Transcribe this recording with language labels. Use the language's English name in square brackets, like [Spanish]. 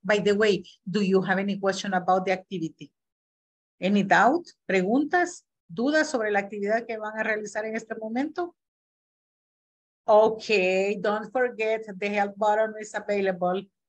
[English] By the way, do you have any question about the activity? Any doubt, [Spanish] preguntas, dudas sobre la actividad que van a realizar en este momento? [English] Okay, don't forget the help button is available.